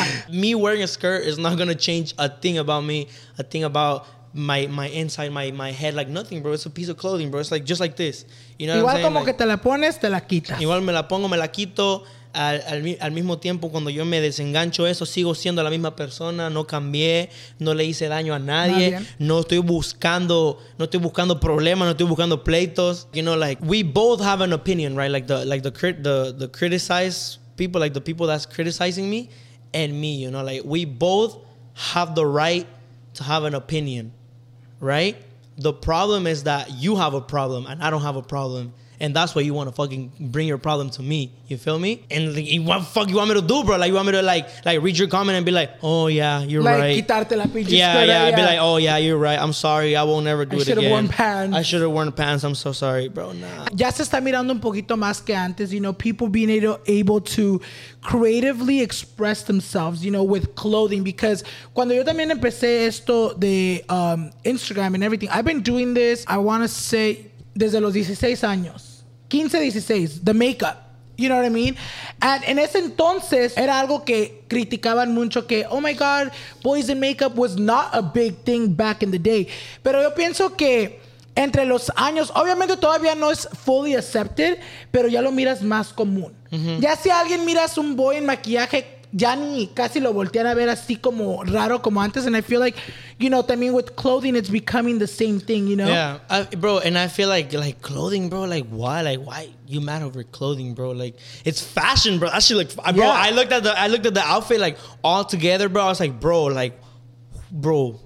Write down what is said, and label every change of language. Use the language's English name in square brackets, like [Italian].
[English] Me wearing a skirt is not gonna change a thing about me, a thing about my inside, my head, like nothing, bro. It's a piece of clothing, bro. It's like just like this, you know. [Spanish] Igual [English] what I'm saying? [Spanish] Como [English] like, [Spanish] que te la pones, te la quitas. Igual me la pongo, me la quito. Al mismo tiempo, cuando yo me desengancho eso, sigo siendo la misma persona, no cambié, no le hice daño a nadie, no estoy buscando problemas, no estoy buscando pleitos. [English] You know, like, we both have an opinion, right? Like, the criticized people, like the people that's criticizing me and me, you know, like, we both have the right to have an opinion, right? The problem is that you have a problem and I don't have a problem. And that's why you want to fucking bring your problem to me. You feel me? And like, what the fuck you want me to do, bro? Like, you want me to like read your comment and be like, oh, yeah, you're like, right. Like, [Spanish] quitarte la pinche [English] skirt. Yeah. I'd be like, oh, yeah, you're right. I'm sorry. I will never do it again. I should have worn pants. I'm so sorry, bro. Nah. [Spanish] Ya se está mirando un poquito más que antes. [English] You know, people being able to creatively express themselves, you know, with clothing. Because [Spanish] cuando yo también empecé esto de Instagram [English] and everything, I've been doing this, I want to say, [Spanish] desde los 16 años. [English] 15, 16. The makeup. You know what I mean? And [Spanish] en ese entonces, era algo que criticaban mucho que, [English] oh my God, boys in makeup was not a big thing back in the day. [Spanish] Pero yo pienso que entre los años, obviamente todavía no es [English] fully accepted, [Spanish] pero ya lo miras más común. Mm-hmm. Ya si alguien miras un boy en maquillaje, ya ni casi lo voltean a ver así como raro como antes. [English] And I feel like, you know, I mean, with clothing, it's becoming the same thing, you know? Yeah, bro, and I feel like clothing, bro, like, why? Like, why you mad over clothing, bro? Like, it's fashion, bro. That shit look, bro, yeah. I looked at the outfit, like, all together, bro. I was like, bro, like, bro.